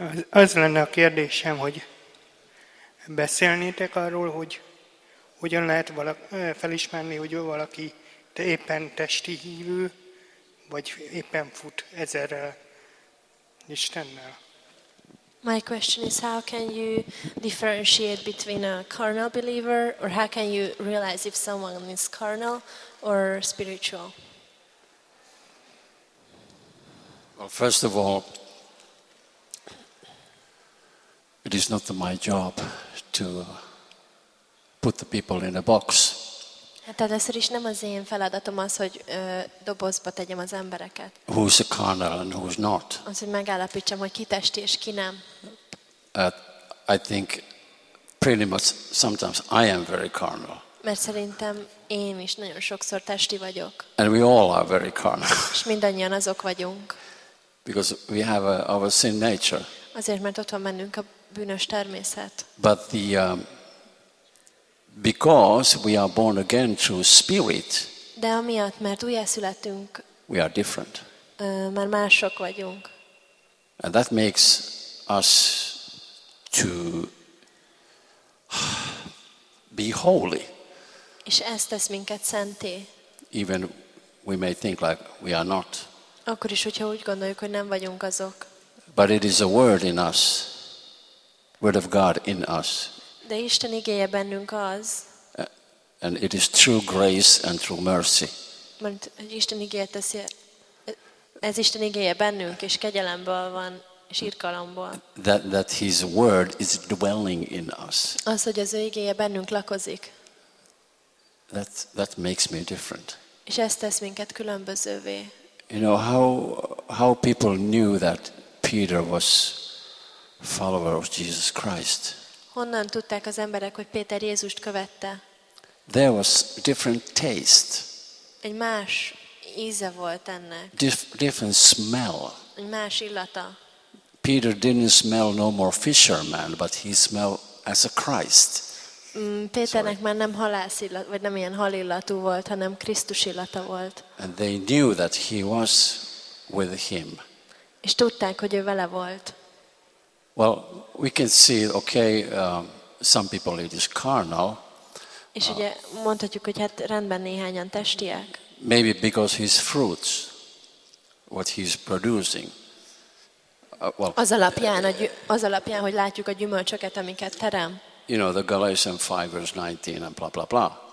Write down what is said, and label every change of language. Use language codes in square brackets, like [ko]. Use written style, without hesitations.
[hu] Az lenne a kérdésem, hogy beszélnétek arról, hogy hogyan lehet felismerni, hogy valaki éppen testi hívő, vagy éppen fut ezerrel Istennel. [en] My question is, how can you differentiate between a carnal believer, or how can you realize if someone is carnal or spiritual? Well, first of all, it is not my job to put the people in a box. [hu] Tehát ez is nem az én feladatom az, hogy dobozba tegyem az embereket. [en] Who's a carnal and who's not? [hu] Az, hogy megállapítsam, hogy ki testi és ki nem. [en] I think pretty much sometimes I am very carnal. [hu] Mert szerintem én is nagyon sokszor testi vagyok. [en] And we all are very carnal. [hu] És mindannyian azok vagyunk. [en] Because we have our sin nature. [hu] Azért, mert ott van bennünk a bűnös természet. [en] But the because we are born again through spirit. [hu] De amiatt, mert újjászülettünk. [en] We are different. [hu] Már mások vagyunk. [en] And that makes us to be holy. [hu] És ez tesz minket szenté. [en] Even we may think like we are not. [hu] Akkor is, hogyha úgy gondoljuk, hogy nem vagyunk azok. [en] But it is a word in us. Word of God in us. [hu] De Isten igéje bennünk az. [en] And it is true grace and true mercy. [hu] Mert Isten igéje teszi, ez Isten igéje bennünk, és kegyelemből van, és irgalomból. [en] That his word is dwelling in us. [hu] Az, hogy az ő igéje bennünk lakozik. [en] That makes me different. [hu] És ez tesz minket különbözővé. [en] You know how people knew that Peter was follower of Jesus Christ. [hu] Honnan tudták az emberek, hogy Péter Jézust követte? [en] There was different taste. [hu] Egy más íze volt ennek. [en] Different smell. [hu] Egy más illata. [en] Peter didn't smell no more fisherman, but he smelled as a Christ. [hu] Péternek már nem halász illat, vagy nem ilyen hal illatú volt, hanem Krisztus illata volt. [en] And they knew that he was with him. [hu] És tudták, hogy ő vele volt. [en] Well, we can see, okay, some people it is carnal. [hu] És ugye mondhatjuk, hogy hát rendben néhányan testiek. [en] Maybe because his fruits, what he's producing. Well, [hu] az alapján, hogy látjuk a gyümölcsöket, amiket terem. [en] You know, the Galatians 5 verse 19 and blah, blah, blah.